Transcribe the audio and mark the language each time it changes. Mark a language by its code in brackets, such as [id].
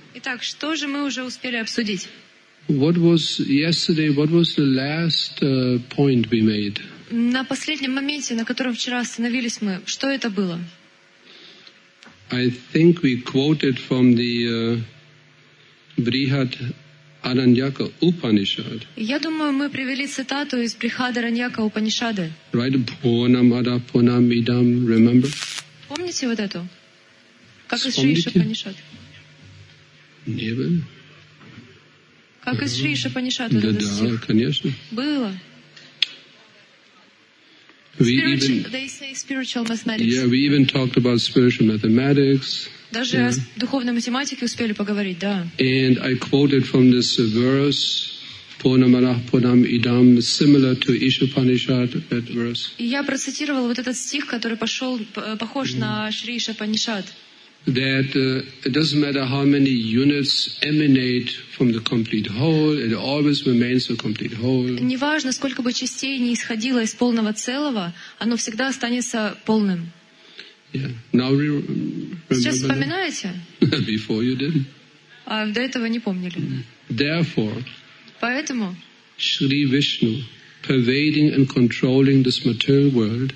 [ru] Итак, что же мы уже успели обсудить? [en] What was yesterday? What was the last point we made? [ru] На последнем моменте, на котором вчера остановились мы, что это было? [en] I think we quoted from the Brihat Aranyaka Upanishad. [ru] Я думаю, мы привели цитату из Брихадараньяка Упанишады. [en] Right, [sa] Пунам Адапунам Идам. [en] Remember? [ru] Помните вот эту? Как из Шриши Панишад? Не было. Как из Шриши Панишад вот этот стих? Да, конечно. Было. [en] We even talked about spiritual mathematics. [ru] Даже о духовной математике успели поговорить, да. [en] And I quoted from this verse, [sa] Purnamadah Purnam Idam, [en] similar to Ishopanishad, that verse. [ru] И я процитировал вот этот стих, который пошел похож на Шри Ишопанишад. [en] That it doesn't matter how many units emanate from the complete whole, it always remains a complete whole. [ru] Неважно, сколько бы частей ни исходило из полного целого, оно всегда останется полным. [en] Yeah. Now we remember. [ru] Сейчас вспоминаете? [en] Before you did. [ru] А до этого не помнили. [en] Therefore. [ru] Поэтому. [en] Shri Vishnu. Pervading and controlling this material world.